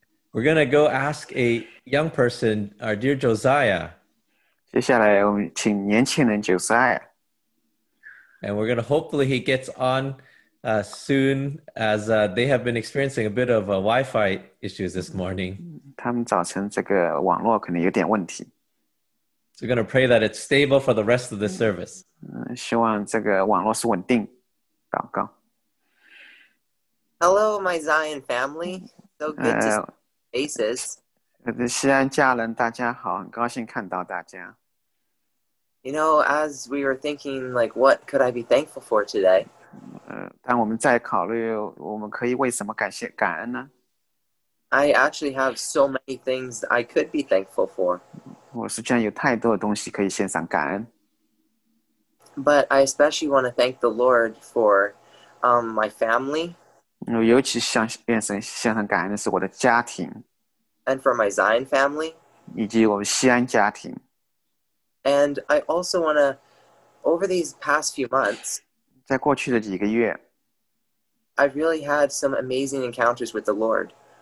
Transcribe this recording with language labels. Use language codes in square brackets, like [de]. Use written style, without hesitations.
[en] We're going to go ask a young person, our dear Josiah. [zh] 接下来我们请年轻人 Josiah. [en] And we're going to hopefully he gets on soon as they have been experiencing a bit of Wi-Fi issues this morning. [zh] 他们早晨这个网络可能有点问题。 [en] So we're going to pray that it's stable for the rest of the service. [zh] 希望这个网络是稳定，祷告。 [en] Hello, my Zion family. So good to see your faces. [zh] 西安家人, 大家好, 很高兴看到大家。 [en] You know, as we were thinking, like, what could I be thankful for today? [zh] 当我们在考虑我们可以为什么感谢感恩呢? [en] I actually have so many things I could be thankful for. [zh] 我实际上有太多的东西可以献上感恩。 [en] But I especially want to thank the Lord for my family. [zh] 我尤其向神献上感恩的是我的家庭。 [en] And for my Zion family. [zh] 以及我们西安家庭。 [en] And I also want to, over these past few months, [zh] 在过去的几个月, [en] I've really had some amazing encounters with the Lord.